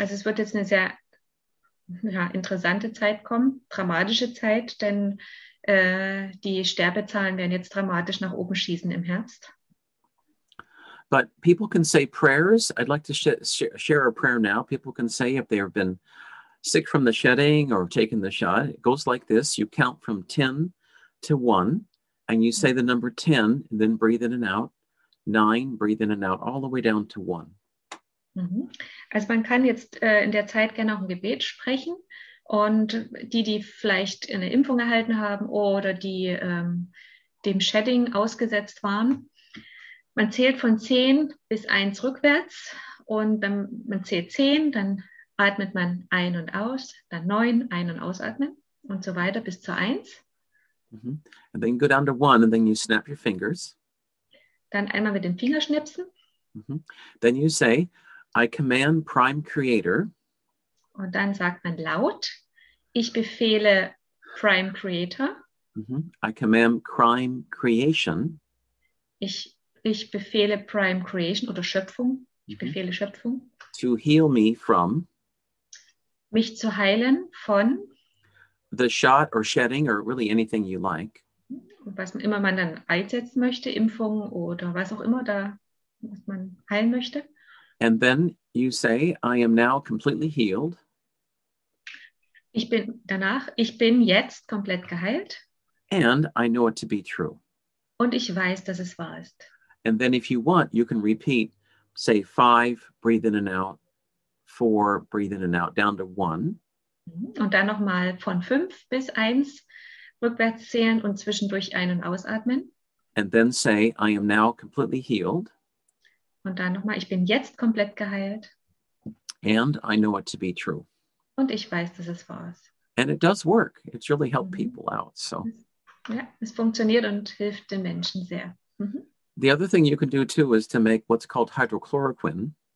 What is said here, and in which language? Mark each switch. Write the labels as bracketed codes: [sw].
[de] Also es wird jetzt eine sehr interessante Zeit kommen, dramatische Zeit, denn die Sterbezahlen werden jetzt dramatisch nach oben schießen im Herbst. [en] But people can say prayers. I'd like to share a prayer now. People can say if they have been sick from the shedding or taken the shot. It goes like this. You count from 10 to 1 and you say the number 10, then breathe in and out. 9, breathe in and out, all the way down to 1. [de] Also man kann jetzt in der Zeit gerne auch ein Gebet sprechen. Und die, die vielleicht eine Impfung erhalten haben oder die dem Shedding ausgesetzt waren, man zählt von 10 bis 1 rückwärts. Und wenn man zählt 10, dann atmet man ein und aus, dann 9, ein und ausatmen und so weiter bis zur 1. Mm-hmm. [en] And then go down to 1 and then you snap your fingers. [de] Dann einmal mit den Finger schnipsen. Mm-hmm. [en] Then you say, I command Prime Creator. [de] Und dann sagt man laut, ich befehle Prime Creator. Mm-hmm. [en] I command Prime Creation. [de] Ich befehle Prime Creation oder Schöpfung. Ich mm-hmm. befehle Schöpfung. [en] To heal me from. [de] Mich zu heilen von. [en] The shot or shedding or really anything you like. [de] Was immer man dann einsetzen möchte, Impfung oder was auch immer da, was man heilen möchte. [en] And then you say, I am now completely healed. [de] Ich bin jetzt komplett geheilt. [en] And I know it to be true. [de] Und ich weiß, dass es wahr ist. [en] And then if you want, you can repeat, say 5, breathe in and out, 4, breathe in and out, down to 1. [de] Und dann nochmal von 5 bis 1 rückwärts zählen und zwischendurch ein- und ausatmen. [en] And then say, I am now completely healed. [de] Und dann nochmal, ich bin jetzt komplett geheilt. [en] And I know it to be true. [de] Und ich weiß, dass es wahr ist. [en] And it does work. It's really helped people out. So. [de] Ja, es funktioniert und hilft den Menschen sehr. Mhm. [en] The other thing you can do too is to make what's called hydrochloroquine.